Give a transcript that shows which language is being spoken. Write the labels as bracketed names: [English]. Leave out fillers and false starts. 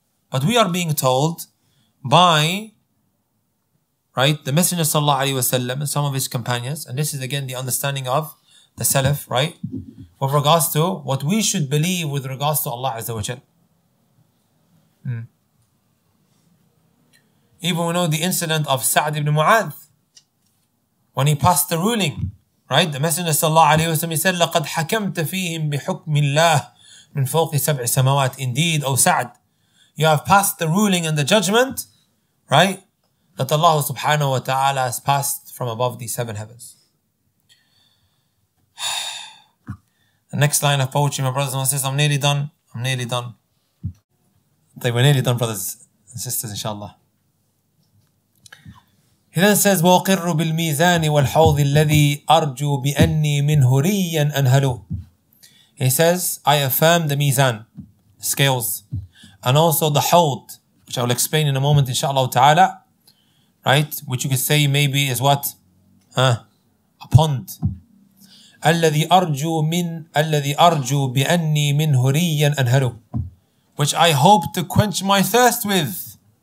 [English] But we are being told by, right, the Messenger sallallahu alayhi wa sallam and some of his companions, and this is again the understanding of the Salaf, right? With regards to what we should believe with regards to Allah Azza wa Jal. Even we know the incident of Sa'd ibn Mu'adh when he passed the ruling, right? The Messenger sallallahu alayhi wa sallam, he said, [Arabic] لَقَدْ حَكَمْتَ فِيهِمْ بِحُكْمِ اللَّهِ مِنْ فَوْقِ سَبْعِ سَمَوَاتِ. [English] Indeed, O Sa'd, you have passed the ruling and the judgment, right, that Allah subhanahu wa ta'ala has passed from above the seven heavens. The next line of poetry, my brothers and my sisters, I'm nearly done. They were nearly done, brothers and sisters, inshallah. He then says, [Arabic] وَأُقِرُّ بِالْمِيزَانِ وَالْحَوْضِ الَّذِي أَرْجُو بِأَنِّي مِنْ هُرِيًّا أَنْهَلُ. [English] He says, I affirm the mizan, scales, and also the hawd, which I will explain in a moment, inshallah ta'ala, right? Which you could say maybe is what? A pond. [Arabic] الَّذِي أَرْجُو بِأَنِّي مِنْ هُرِيًّا أَنْهَلُ, [English] which I hope to quench my thirst with.